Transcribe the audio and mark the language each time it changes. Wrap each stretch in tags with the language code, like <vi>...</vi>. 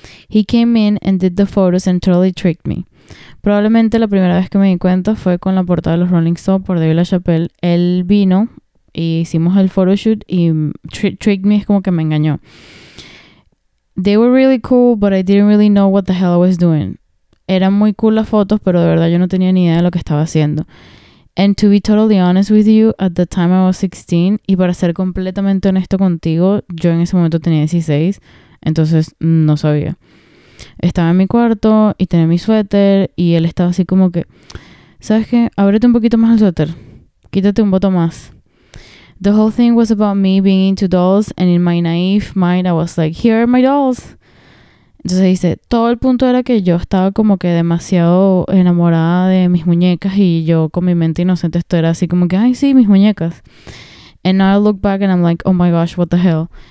<en>He came in and did the photos and totally tricked me.</en> <es>Probablemente la primera vez que me di cuenta fue con la portada de los Rolling Stone por David LaChapelle. Él vino y hicimos el photoshoot y</es> <en>tricked me,</en> <es>es como que me engañó.</es> <en>They were really cool, but I didn't really know what the hell I was doing.</en> <es>Eran muy cool las fotos, pero de verdad yo no tenía ni idea de lo que estaba haciendo.</es> <en>And to be totally honest with you, at the time I was 16,</en> <es>y para ser completamente honesto contigo, yo en ese momento tenía 16, entonces no sabía. Estaba en mi cuarto y tenía mi suéter y él estaba así como que, ¿sabes qué? Ábrete un poquito más el suéter, quítate un voto más.</es> <en>The whole thing was about me being into dolls, and in my naive mind I was like, here are my dolls.</en> <es>Entonces dice, todo el punto era que yo estaba como que demasiado enamorada de mis muñecas y yo con mi mente inocente esto era así como que, ay sí, mis muñecas.</es> <en>And now I look back and I'm like, oh my gosh, what the hell.</en>